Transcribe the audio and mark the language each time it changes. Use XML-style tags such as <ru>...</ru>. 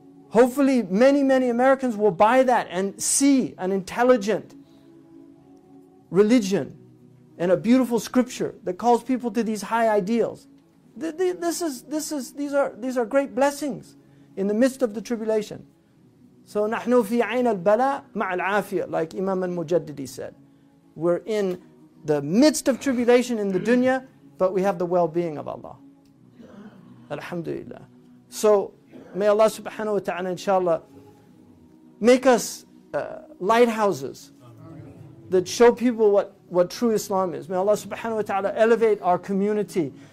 <en>Hopefully many, many Americans will buy that and see an intelligent religion and a beautiful scripture that calls people to these high ideals. These are great blessings in the midst of the tribulation.</en> <ar>So نحن في عين البلاء مع العافية,</ar> <en>like Imam al-Mujaddidi said. We're in the midst of tribulation in the dunya, but we have the well-being of Allah. Alhamdulillah. So may Allah subhanahu wa ta'ala inshallah make us lighthouses that show people what true Islam is. May Allah subhanahu wa ta'ala elevate our community.</en>